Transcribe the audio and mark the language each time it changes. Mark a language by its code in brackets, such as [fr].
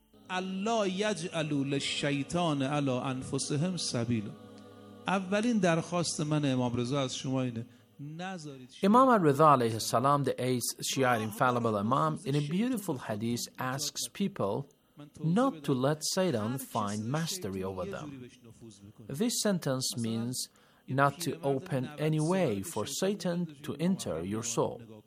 [ar] يجعل للشيطان على انفسهم سبيلا. [fa] اولین درخواست من امام رضا از شما اینه. [en] Imam al-Ridha alayhi salam, the eighth Shia infallible imam, in a beautiful hadith asks people not to let Satan find mastery over them. This sentence means not to open any way for Satan to enter your soul.